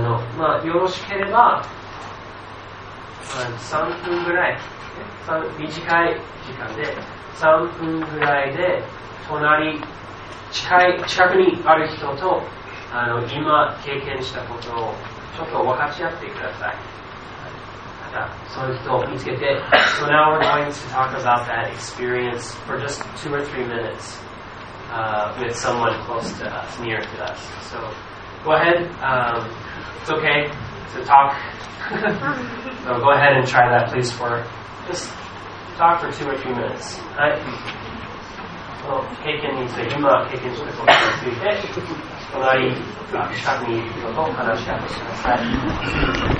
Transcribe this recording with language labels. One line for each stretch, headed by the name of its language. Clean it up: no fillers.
Japanese: あの、まあ、よろしければ、まあ、3分ぐらい、短い時間で3分ぐらいで隣近くにある人とあの今経験したことをちょっと分かち合ってください。その人を見つけて、
English: So now we're going to talk about that experience for just two or three minutes、with someone close to us, near to us. So go ahead,、it's okay to talk. So go ahead and try that, please, for just talk for two or three minutes.
Japanese: So, 経験について、今は経験したことについて、隣、近くにいる人と話し合ってください。